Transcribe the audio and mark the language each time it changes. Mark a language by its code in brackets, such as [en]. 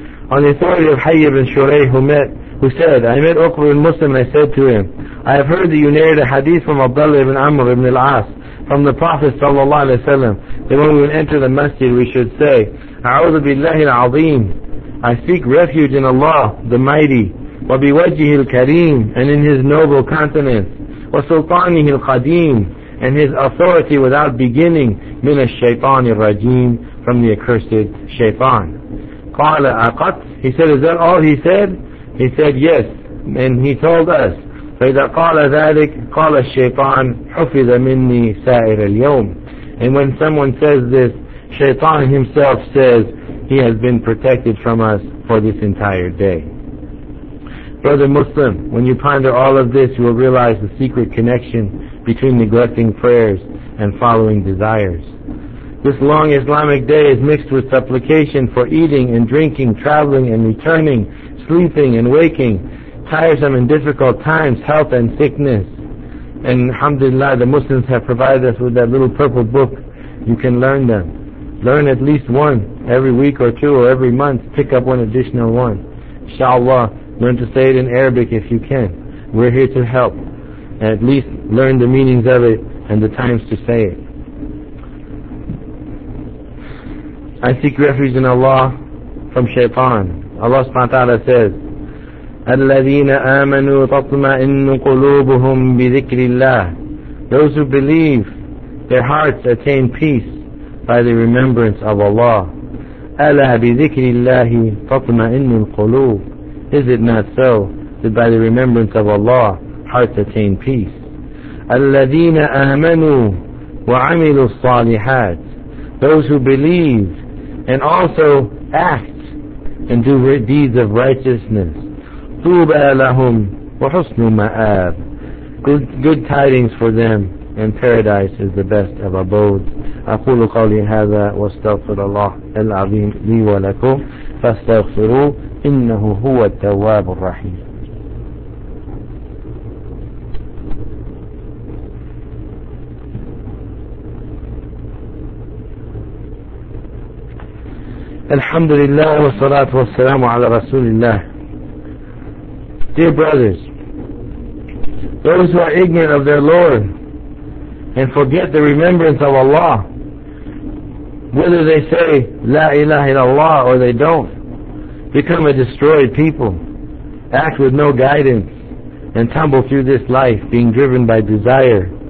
[en] On the authority of Hayy ibn Shuray, who said, I met Uqba ibn Muslim, and I said to him, I have heard that you narrated a hadith from Abdullah ibn Amr ibn al-As, from the Prophet sallallahu alayhi wa sallam, that when we would enter the masjid, we should say, [ar] A'udhu billahi al-azim, [en] I seek refuge in Allah, the Mighty, [ar] wa biwajjihi al-kareem, [en] and in his noble countenance, [ar] wa sultanihi al-qadeem, [en] and his authority without beginning, [ar] min ash-shaytan al-rajim, [en] from the accursed shaytan. [ar] Qala aqat, [en] he said, is that all he said? He said, yes. And he told us, [ar] فَإِذَا قَالَ ذَلِكَ قَالَ الشَّيْطَانِ حُفِظَ مِنِّي سَائِرَ الْيَوْمِ. [en] And when someone says this, shaytan himself says, he has been protected from us for this entire day. Brother Muslim, when you ponder all of this, you will realize the secret connection between neglecting prayers and following desires. This long Islamic day is mixed with supplication for eating and drinking, traveling and returning, sleeping and waking, tiresome and difficult times, health and sickness. And alhamdulillah, the Muslims have provided us with that little purple book. You can learn them. Learn at least one every week or two or every month. Pick up one additional one. Inshallah, learn to say it in Arabic if you can. We're here to help. And at least learn the meanings of it and the times to say it. I seek refuge in Allah from shaitan. [ar] Allah subhanahu wa ta'ala says, الَّذِينَ آمَنُوا تَطْمَئِنُّ قُلُوبُهُمْ بِذِكْرِ اللَّهِ. [en] Those who believe, their hearts attain peace by the remembrance of Allah. [ar] أَلَا بِذِكْرِ اللَّهِ تَطْمَئِنُّ الْقُلُوبُ. [en] Is it not so that by the remembrance of Allah, hearts attain peace? [ar] الَّذِينَ آمَنُوا وَعَمِلُوا الصَّالِحَاتِ. [en] Those who believe and also act and do deeds of righteousness. [ar] طوبى لهم وحسن مآب. [en] Good tidings for them, and paradise is the best of abodes. [ar] أقول قولي هذا واستغفر الله العظيم لي ولكم فاستغفروه إنه هو التواب الرحيم. الحمد لله والصلاة والسلام على رسول الله. [en] Dear brothers, those who are ignorant of their Lord and forget the remembrance of Allah, whether they say La ilaha illallah or they don't, become a destroyed people, act with no guidance, and tumble through this life being driven by desire.